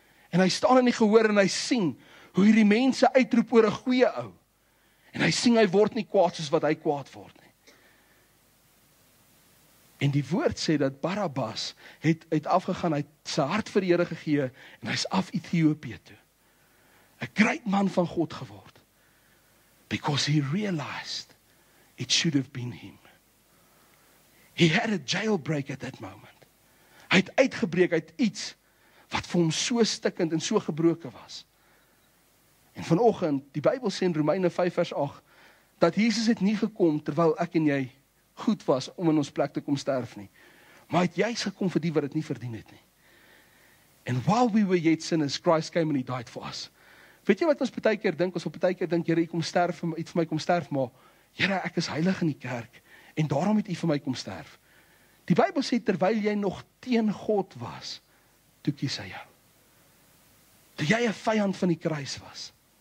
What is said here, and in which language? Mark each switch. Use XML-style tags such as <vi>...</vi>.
<af>En hy staan in die gehoor en hy sien, hoe hierdie mense uitroep oor 'n goeie ou. En hy sien hy word nie kwaad soos wat hy kwaad word. En die woord sê dat Barabbas het afgegaan, hy het sy hart vir die Here gegee en hy's af Ethiopië toe. 'N groot man van God geword.</af> <en>Because he realized it should have been him. He had a jailbreak at that moment.</en> <af>Hy het uitgebreek uit iets wat vir hom so stikkend en so gebroken was. En vanoggend, die Bybel sê in Romeine 5 vers 8 dat Jesus het nie gekom terwyl ek en jy goed was om in ons plek te kom sterf nie. Maar het juist gekom vir die wat het nie verdien het nie.</af> <en>And while we were yet sinners, Christ came and he died for us.</en> <af>Weet jy wat ons baie keer dink? Ons op baie keer dink, Here, u kom sterf vir my, iets vir my kom sterf, maar Here, ek is heilig in die kerk en daarom het u vir my kom sterf. Die Bybel sê terwyl jy nog teen God was, toe kies hy jou. Toe jy 'n vyand van die kruis was.</af>